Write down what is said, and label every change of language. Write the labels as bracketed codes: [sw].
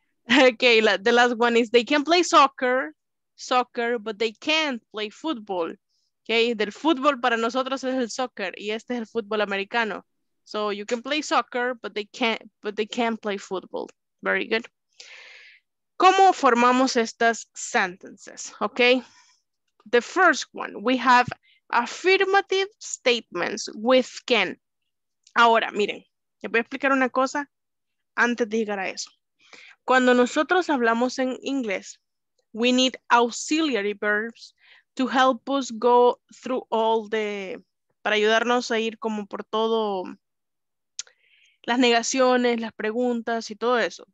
[en] Okay, the last one is they can play soccer, but they can't play football. [es] Okay, del fútbol para nosotros es el soccer y este es el fútbol americano. [en] So you can play soccer, but they can't play football. Very good. [es] ¿Cómo formamos estas sentences? [en] Okay, the first one, we have affirmative statements with can. [es] Ahora, miren, les voy a explicar una cosa antes de llegar a eso. Cuando nosotros hablamos en inglés, [en] we need auxiliary verbs to help us go through all the, [es] para ayudarnos a ir como por todo, las negaciones, las preguntas y todo eso.